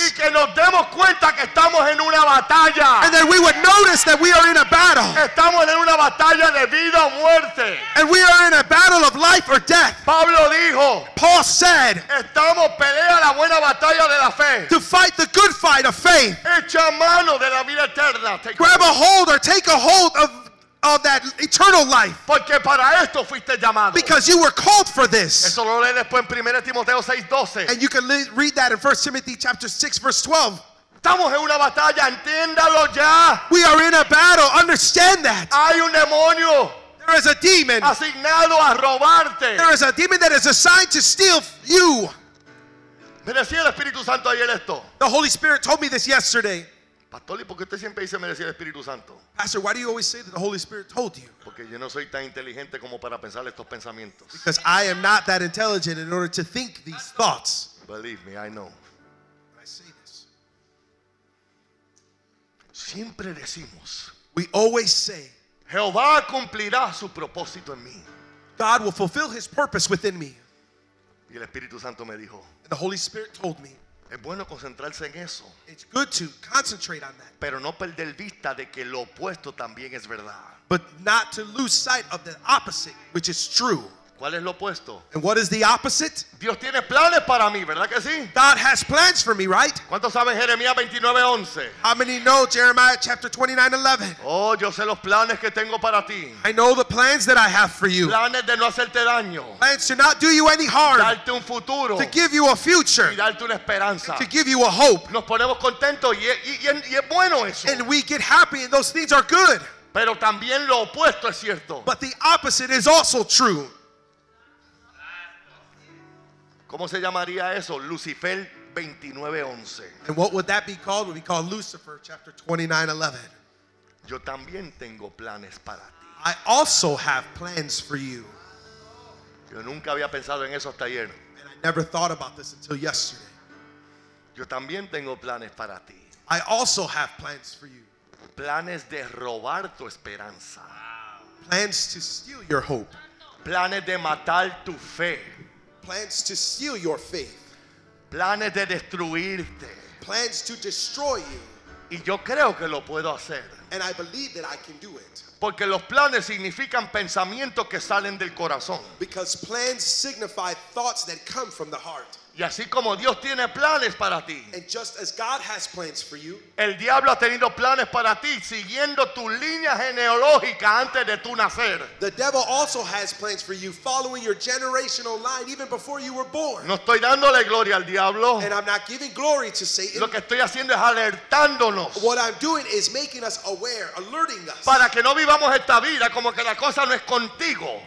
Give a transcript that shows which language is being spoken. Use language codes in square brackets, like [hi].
[es] Y que nos demos cuenta que estamos en una batalla. [en] And that we would notice that we are in a battle. [es] Estamos en una batalla de vida o muerte. [en] And we are in a battle of life or death. [es] Pablo dijo. [en] Paul said. [es] Estamos pelea la buena batalla de la fe. [en] To fight the good fight of faith. [es] Echa mano de la vida eterna. [en] Grab a hold or take a hold of that eternal life. [es] Porque para esto fuiste llamado. [en] Because you were called for this. [es] Eso lo lees después en 1 Timoteo 6:12. [en] And you can read that in 1 Timothy chapter 6 verse 12. [es] Estamos en una batalla, entiéndalo ya. [en] We are in a battle, understand that. [es] Hay un demonio. [en] There is a demon. [es] Asignado a robarte. [en] There is a demon that is assigned to steal you. [es] Me decía el Espíritu Santo ayer esto. [en] The Holy Spirit told me this yesterday. [es] Pastor, ¿por qué usted siempre dice me decía el Espíritu Santo? [en] Pastor, why do you always say that the Holy Spirit told you? [es] Porque yo no soy tan inteligente como para pensar estos pensamientos. [en] Because I am not that intelligent in order to think these thoughts. Believe me, I know. I say this. [es] Siempre decimos. [en] We always say. [es] Jehová cumplirá su propósito en mí. [en] God will fulfill his purpose within me. [es] Y el Espíritu Santo me dijo. [en] The Holy Spirit told me. [es] Es bueno concentrarse en eso. [en] It's good to concentrate on that. [es] Pero no perder vista de que lo opuesto también es verdad. [en] But not to lose sight of the opposite, which is true. [es] ¿Cuál es lo opuesto? [en] And what is the opposite? [es] Dios tiene planes para mí, ¿verdad que sí? [en] God has plans for me, right? [es] ¿Cuántos saben Jeremías 29:11? [en] How many know Jeremiah chapter 29:11? [es] Oh, yo sé los planes que tengo para ti. [en] I know the plans that I have for you. [es] Planes de no hacerte daño. [en] Plans to not do you any harm. [es] Darte un futuro. [en] To give you a future. [es] Y darte una esperanza. [en] To give you a hope. [es] Nos ponemos contentos y es bueno eso. [en] And we get happy and those things are good. [es] Pero también lo opuesto es cierto. [en] But the opposite is also true. [es] ¿Cómo se llamaría eso? Lucifer 29:11. [en] And what would that be called? Would be called Lucifer chapter 29:11. [es] Yo también tengo planes para ti. [en] I also have plans for you. [es] Yo nunca había pensado en eso hasta ayer. [en] And I never thought about this until yesterday. [es] Yo también tengo planes para ti. [en] I also have plans for you. [es] Planes de robar tu esperanza. [en] Plans to steal your hope. [es] Planes de matar tu fe. [en] Plans to steal your faith. [es] Planes de destruirte. [en] Plans to destroy you. [es] Y yo creo que lo puedo hacer. [en] And I believe that I can do it. [es] Porque los planes significan pensamientos que salen del corazón. [en] Because plans signify thoughts that come from the heart. [es] Y así como Dios tiene planes para ti. [en] And just as God has plans for you. [es] El diablo ha tenido planes para ti siguiendo tu línea genealógica antes de tu nacer. [en] The devil also has plans for you following your generational line even before you were born. [es] No estoy dándole gloria al diablo. [en] And I'm not giving glory to Satan. [es] Lo que estoy haciendo es alertándonos. [en] What I'm doing is making us aware, alerting us. [es] Para que no vivamos esta vida como que la cosa no es contigo.